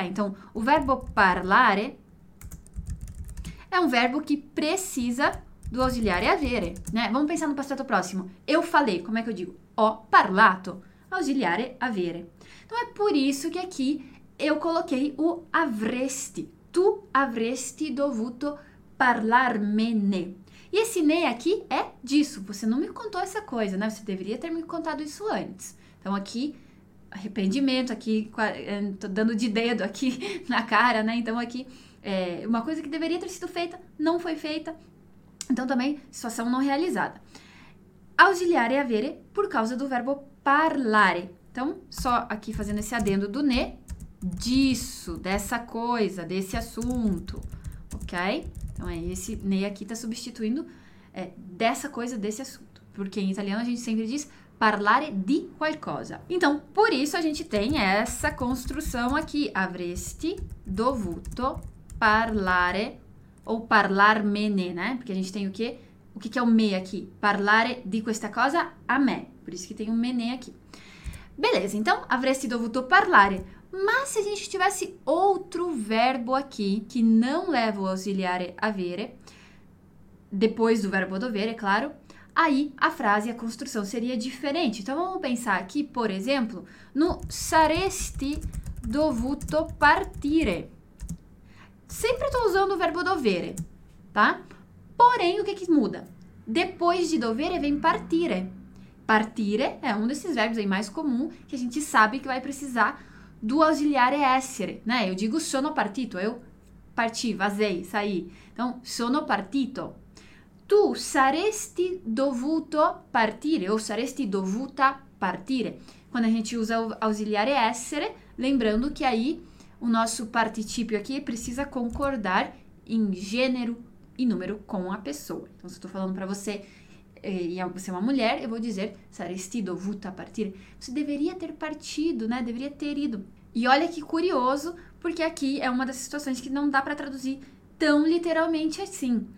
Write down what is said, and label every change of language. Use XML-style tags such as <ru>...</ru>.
<pt>Então, o verbo parlare é um verbo que precisa do auxiliare avere, né? Vamos pensar no passato próximo. Eu falei, como é que eu digo?</pt> <it>Ho parlato.</it> <pt>Auxiliare avere. Então, é por isso que aqui eu coloquei o avresti.</pt> <it>Tu avresti dovuto parlarmene.</it> <pt>E esse ne aqui é disso. Você não me contou essa coisa, né? Você deveria ter me contado isso antes. Então, aqui, arrependimento, aqui, tô dando de dedo aqui na cara, né? Então, aqui, uma coisa que deveria ter sido feita, não foi feita. Então, também, situação não realizada. Auxiliare avere por causa do verbo parlare. Então, só aqui fazendo esse adendo do ne, disso, dessa coisa, desse assunto, ok? Então, esse ne aqui está substituindo dessa coisa, desse assunto. Porque em italiano a gente sempre diz</pt> <it>parlare di qualcosa.</it> <pt>Então, por isso a gente tem essa construção aqui.</pt> <it>Avresti dovuto parlare</it> <pt>ou parlarmene, né? Porque a gente tem o quê? O que é o me aqui?</pt> <it>Parlare di questa cosa a me.</it> <pt>Por isso que tem o mene aqui. Beleza, então,</pt> <it>avresti dovuto parlare.</it> <pt>Mas se a gente tivesse outro verbo aqui, que não leva o auxiliare avere, depois do verbo dovere, é claro, aí a frase e a construção seria diferente. Então, vamos pensar aqui, por exemplo, no</pt> <it>saresti dovuto partire.</it> <pt>Sempre estou usando o verbo dovere, tá? Porém, o que muda? Depois de dovere vem partire. Partire é um desses verbos aí mais comum que a gente sabe que vai precisar do auxiliare essere, né? Eu digo</pt> <it>sono partito,</it> <pt>eu parti, vazei, saí. Então,</pt> <it>sono partito. Tu saresti dovuto partire, ou saresti dovuta partire.</it> <pt>Quando a gente usa o auxiliare essere, lembrando que aí o nosso participio aqui precisa concordar em gênero e número com a pessoa. Então, se eu estou falando para você e você é uma mulher, eu vou dizer</pt> <it>saresti dovuta partire.</it> <pt>Você deveria ter partido, né? Deveria ter ido. E olha que curioso, porque aqui é uma das situações que não dá para traduzir tão literalmente assim.</pt>